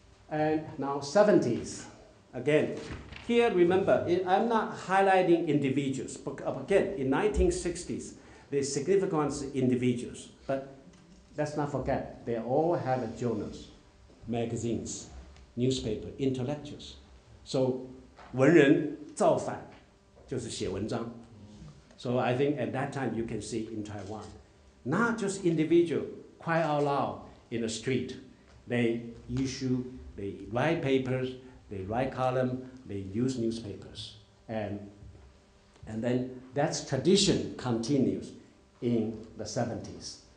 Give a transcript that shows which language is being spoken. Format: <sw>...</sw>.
<en>And now 70s, again. Here, remember, I'm not highlighting individuals, but again, in 1960s, the significance is individuals, but let's not forget, they all have journals, magazines, newspaper, intellectuals.</en> <zh>So, 文人造反就是写文章.</zh> <en>So I think at that time, you can see in Taiwan, not just individual, quite out loud in the street. They issue, they write papers, they write column, they use newspapers. And And then that tradition continues in the 70s.</en>